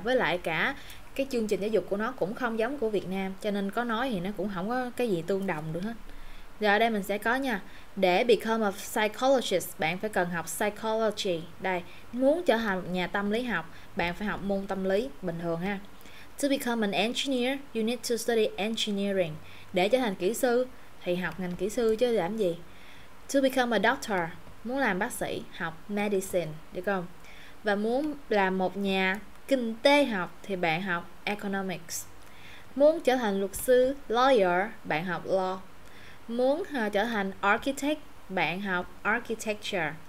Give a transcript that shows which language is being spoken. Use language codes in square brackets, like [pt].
[vi] Với lại cả cái chương trình giáo dục của nó cũng không giống của Việt Nam, cho nên có nói thì nó cũng không có cái gì tương đồng được hết. Giờ đây mình sẽ có nha, để [en] become a psychologist [vi] bạn phải cần học psychology. Đây, muốn trở thành nhà tâm lý học bạn phải học môn tâm lý bình thường ha. [en] To become an engineer you need to study engineering. [vi] Để trở thành kỹ sư thì học ngành kỹ sư chứ làm gì. [en] To become a doctor, [vi] muốn làm bác sĩ học medicine, được không? Và muốn làm một nhà kinh tế học thì bạn học economics. Muốn trở thành luật sư, lawyer, bạn học law. Muốn trở thành architect, bạn học architecture.